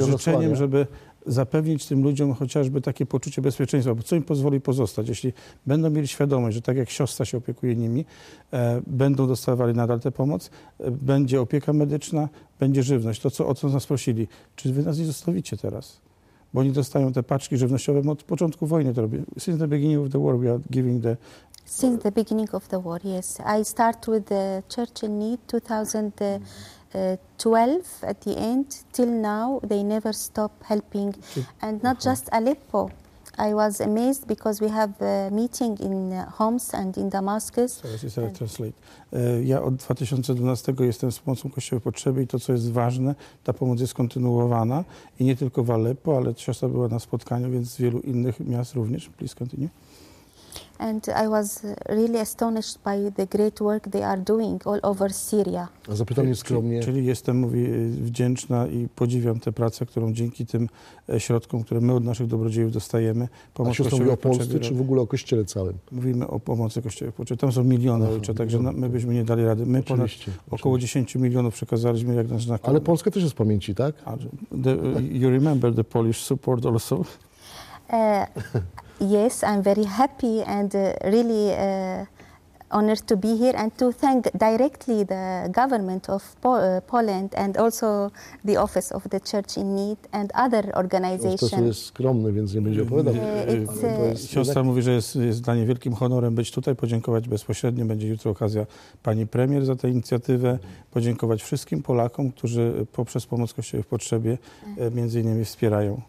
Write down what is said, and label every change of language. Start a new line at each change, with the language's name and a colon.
Polish: Życzeniem, żeby zapewnić tym ludziom chociażby takie poczucie bezpieczeństwa, bo co im pozwoli pozostać, jeśli będą mieli świadomość, że tak jak siostra się opiekuje nimi, będą dostawali nadal tę pomoc, będzie opieka medyczna, będzie żywność. To, o co nas prosili. Czy wy nas nie zostawicie teraz? Bo oni dostają te paczki żywnościowe, od początku wojny to robią.
English: Since the beginning of the war, we are giving the... Since the beginning of the war, yes. I start with the Church in Need 2012 at the end. Till now, they never stop helping. And not just Aleppo. I was amazed because we have a meeting in Homs and in Damascus. Sorry, translate.
Polish: Ja od 2012 jestem z pomocą Kościoła Potrzeby i to, co jest ważne, ta pomoc jest kontynuowana. I nie tylko w Aleppo, ale siostra była na spotkaniu, więc w wielu innych miast również.
English: Please continue. And I was really astonished by the great work they are doing all over Syria.
Polish: Zapytam nieskromnie. Czyli jestem, mówi, wdzięczna i podziwiam tę pracę, którą dzięki tym środkom, które my od naszych dobrodziejów dostajemy. Pomoc a mówi o Polsce, czy w ogóle o Kościele całym? Mówimy o pomocy Kościele Potrzeby. Tam są miliony ojcze, także my byśmy nie dali rady. My ponad około 10 milionów przekazaliśmy, jak nasz znak. Ale Polska też jest w pamięci, tak?
English: You remember the Polish support also? Yes, I'm very happy and really honored to be here and to thank directly the government of Poland and also the office of the Church in Need and other organizations.
Polish: To jest skromne, więc nie będzie opowiadał. Siostra mówi, że jest dla niej wielkim honorem być tutaj, podziękować bezpośrednio. Będzie jutro okazja pani premier za tę inicjatywę. Podziękować wszystkim Polakom, którzy poprzez pomoc Kościoła w potrzebie między innymi wspierają.